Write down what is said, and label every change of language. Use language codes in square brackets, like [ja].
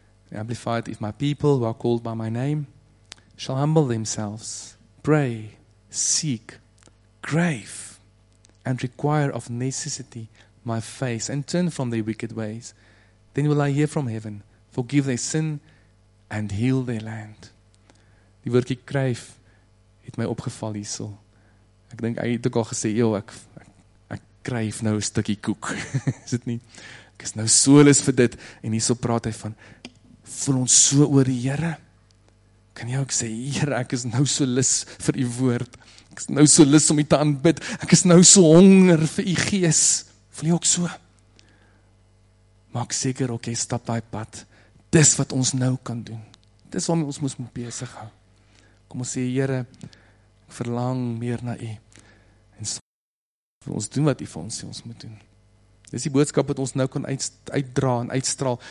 [en] Amplified, if my people who are called by my name shall humble themselves, pray, seek, crave, and require of necessity my face, and turn from their wicked ways, then will I hear from heaven, forgive their sin, and heal their land. [af] Die woordkie kryf het my opgeval hiersel. Ek dink, hy het ook al gesê, joh, ek kryf nou een stukkie koek. Is dit nie? Ek is nou so lus vir dit, en hiersel praat hy van, voel ons so oor die Here? Kan jy ook sê, Here, ek is nou so lus vir die woord. Ek is nou so lus om jy te aanbid. Ek is nou so honger vir jy gees. Voel jy ook so? Maak seker, ok, stap daai pad. Dis wat ons nou kan doen. Dis waarmee ons moet besig hou. Kom ons sê, Here, ek verlang meer na jy. En so, ons doen wat jy vir ons sê, ons moet doen. Dis die boodskap wat ons nou kan uitdra en uitstraal.